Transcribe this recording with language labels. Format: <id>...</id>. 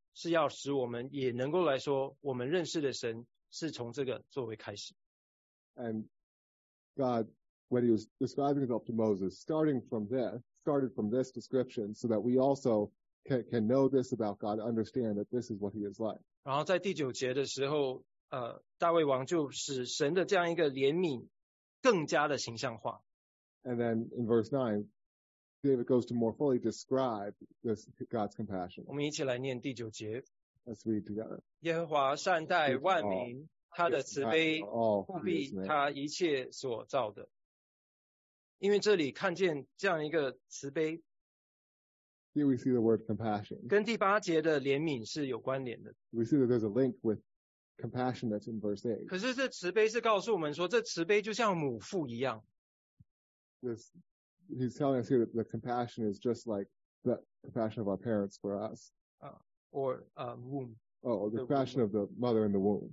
<zh>是要使我们也能够来说我们认识的神是从这个作为开始。</zh> <en>And God, when he was describing himself to Moses, started from this description so that we also can know this about God, understand that this is what he is like.</en> <zh>然后在第九节的时候大卫王就使神的这样一个怜悯更加的形象化。</zh> <en>And then in verse 9,David goes to more fully describe this God's compassion.</en> <zh>我们一起来念第九节。</zh> <en>Let's read together.</en> <zh>耶和华善待万民，他的慈悲护庇他一切所造的。因为这里看见这样一个慈悲。</zh> <en>Here we see the word compassion.</en> <zh>跟第八节的怜悯是有关联的。</zh> <en>We see that there's a link with compassion that's in verse 8.</en> <zh>可是这慈悲是告诉我们说，这慈悲就像母父一样。</zh> <en>this, he's telling us here that the compassion is just like the compassion of our parents for us. Or womb. Oh, the compassion of the mother in the womb.</en>